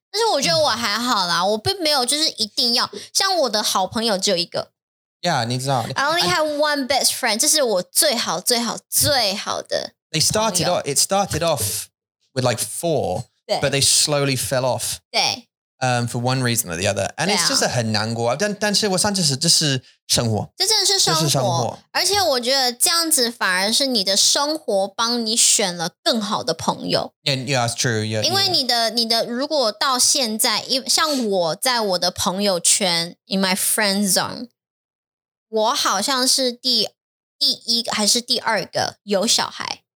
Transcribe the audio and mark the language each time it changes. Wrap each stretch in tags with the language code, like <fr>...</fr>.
<zh>但是我觉得我还好啦，我并没有就是一定要像我的好朋友只有一个。 Yeah, 你知道。</zh> <en>I only have one best friend.</en> <zh>这是我最好最好最好的。</zh> <en>They started off. It started off with like four, but they slowly fell off.</en> <zh>对。</zh> <en>For one reason or the other. And it's just a</en> <zh>很难过。但是我上次是这是生活。这真的是生活。而且我觉得这样子反而是你的生活帮你选了更好的朋友。</zh> <en>Yeah, that's true. Yeah,</en> <zh>因为你的如果到现在像我在我的朋友圈</zh> <en>in my friend zone,</en> <zh>我好像是第一个还是第二个有小孩。</zh>